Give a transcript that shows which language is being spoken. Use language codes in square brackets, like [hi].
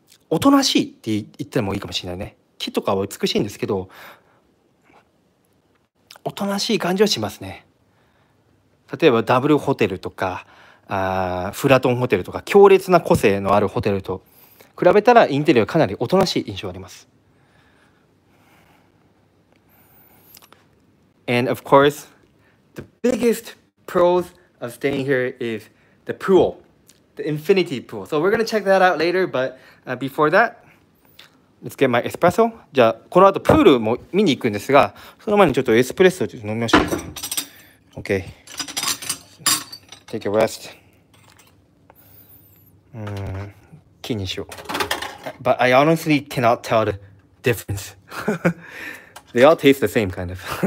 [ja] おとなしいって言ってもいいかもしれないね。木とかは美しいんですけど、おとなしい感じはしますね。例えばダブルホテルとか、フラトンホテルとか、強烈な個性のあるホテルと、比べたらインテリアはかなりおとなしい印象あります。 [en] And of course, the biggest pros of staying here is the pool, the infinity pool. So we're going to check that out later, but before that, let's get my espresso. [ja] じゃあこの後プールも見に行くんですが、その前にちょっとエスプレッソを飲みましょうか。 [en] OK. Take a rest. [ja] 気にしよう。 [en] But I honestly cannot tell the difference. They all taste the same kind of.